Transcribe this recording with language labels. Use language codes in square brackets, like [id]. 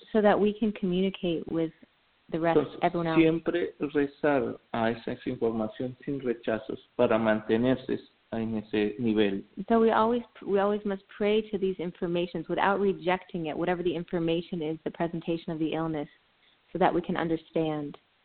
[en] So that we can communicate with the rest, [es] entonces, [en] everyone else. [es] Siempre rezar a esa información sin rechazos para mantenerse en ese nivel. [en] So we always must pray to these informations without rejecting it, whatever the information is, the presentation of the illness, so that we can understand.